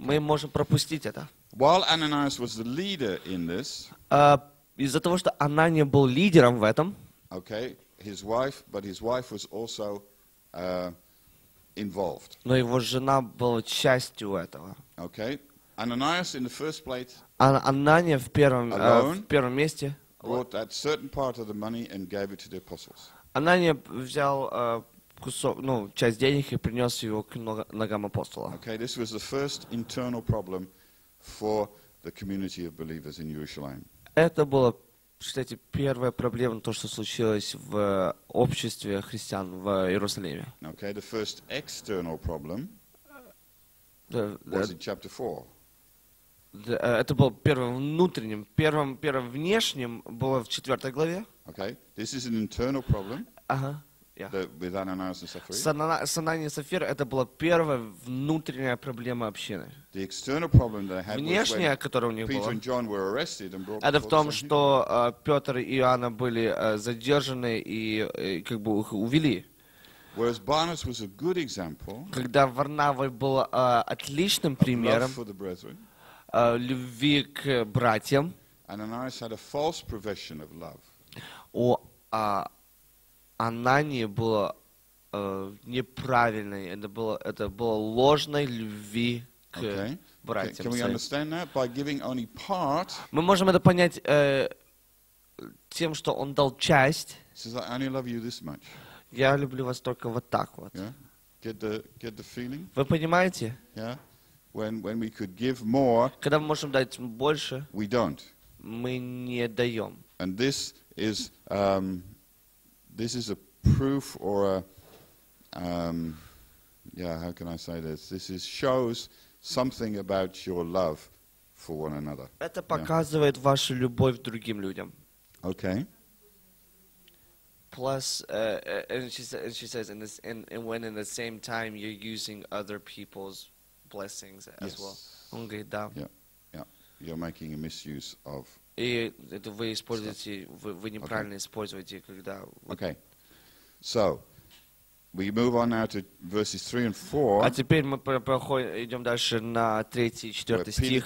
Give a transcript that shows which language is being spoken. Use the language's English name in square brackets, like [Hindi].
[Russian] Мы можем пропустить это. [English] While Ananias was the leader in this, [Russian] из-за того, что Анания был лидером в этом. [English] Okay, his wife, but his wife was also involved. [Russian] Но его жена была частью этого. [English] Okay. Ananias in the first place. [Russian] Анания в первом месте. [English] Brought that certain part of the money and gave it to the apostles. [Russian] Анания взял часть денег и принес его к ногам апостола. [English] Okay, this was the first internal problem for the community of believers in Jerusalem. [Russian] Это была, считайте, первая проблема, то, что случилось в обществе христиан в Иерусалиме. [English] Okay, the first external problem was in chapter 4. [Russian] Это было первым внешним было в четвертой главе. [English] Okay, this is an internal problem. [Russian] Ага, [English] yeah. [Russian] С Ананией и Сапфирой это была первая внутренняя проблема общины. [English] The external problem that had [Russian] внешняя, которая у них [English] Peter [Russian] была, [English] and John were arrested and brought [Russian] это в том, что Петр и Иоанна были задержаны и как бы их увели. [English] Whereas Barnabas was a good example, [Russian] когда Варнава был отличным примером, любви к братьям. [English] Ananias had a false profession of love. [Russian] У Анании было неправильное, это было ложной любви к братьям. [English] Okay. Can we understand that by giving only part? [Russian] Мы можем это понять тем, что он дал часть. [English] Says, I only love you this much. [Russian] Я люблю вас только вот так вот. [English] Yeah? Get the feeling? [Russian] Вы понимаете? [English] Yeah? When we could give more, [Russian] когда мы можем дать больше, [English] we don't. [Russian] Мы не даем. [English] And this is a proof or a how can I say this? This is shows something about your love for one another. [Russian] Это показывает вашу любовь другим людям. [English] Okay. Plus, and she says, when in the same time you're using other people's blessings as yes. well. [Russian] Он говорит, да. [English] You're making a misuse of. [Russian] И это вы используете, вы неправильно используете, когда. [English] Okay. So, we move on now to verses 3 and 4. [Russian] А теперь мы идем дальше на 3-4 стих.